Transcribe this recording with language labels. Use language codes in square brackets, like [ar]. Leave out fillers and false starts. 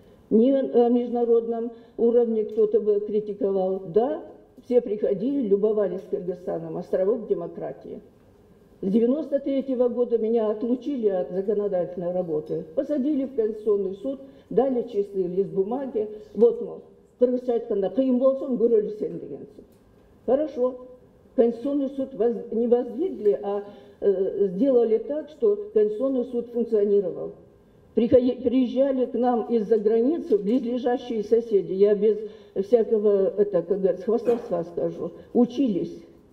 [ru] Ни на международном уровне кто-то бы критиковал. Да, все приходили, любовались Кыргызстаном, островок демократии. С 93-го года меня отлучили от законодательной работы, посадили в Конституционный суд, дали чистый лист бумаги. Вот, мол, [ky] Кыргызча айтканда, кыйын болсон, көрөлүсөн деген сөз. [ru] Хорошо, Конституционный суд не воздвигли, а сделали так, что Конституционный суд функционировал. Приезжали к нам из-за границы близлежащие соседи, я без всякого, это, как говорят, хвастовства скажу, учились.